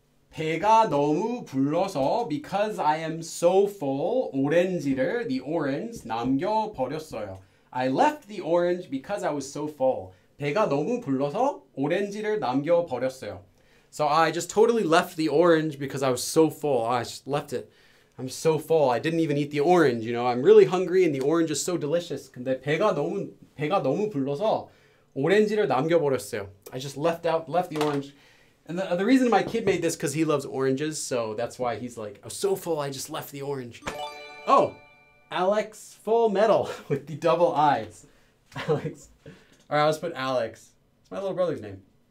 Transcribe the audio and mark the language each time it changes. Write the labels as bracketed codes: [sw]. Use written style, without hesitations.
[ko] 배가 너무 불러서 [en] because I am so full, [ko] 오렌지를, [en] the orange, [ko] 남겨버렸어요. [en] I left the orange because I was so full. [ko] 배가 너무 불러서 오렌지를 남겨버렸어요. [en] So I just totally left the orange because I was so full. I just left it. I'm so full. I didn't even eat the orange. You know, I'm really hungry and the orange is so delicious. [ko] 근데 배가 너무 불러서 오렌지를 남겨버렸어요. [en] I just left the orange. And the reason my kid made this because he loves oranges. So that's why he's like, I was so full. I just left the orange. Oh, Alex Full Metal with the double eyes. Alex. All right, I'll just put Alex. It's my little brother's name.